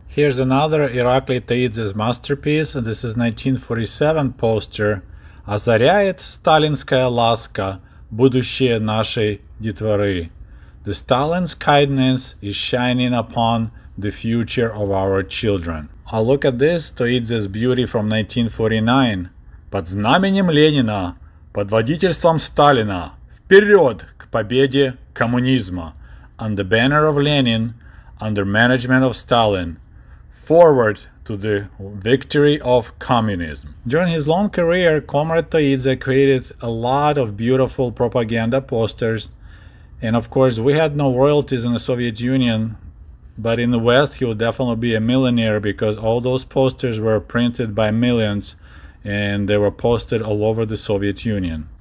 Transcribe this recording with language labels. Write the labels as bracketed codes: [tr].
[en] Here's another Irakli Taidze's masterpiece, and this is 1947 poster, [ru] Озаряет сталинская ласка будущее нашей детворы. [en] The Stalin's kindness is shining upon the future of our children. I'll look at this Taidze's beauty from 1949. [ru] Под знаменем Ленина, под водительством Сталина, вперед к победе коммунизма. [en] On the banner of Lenin, under management of Stalin, forward to the victory of communism. During his long career, Comrade Taidze created a lot of beautiful propaganda posters. And of course, we had no royalties in the Soviet Union, but in the West, he would definitely be a millionaire because all those posters were printed by millions and they were posted all over the Soviet Union.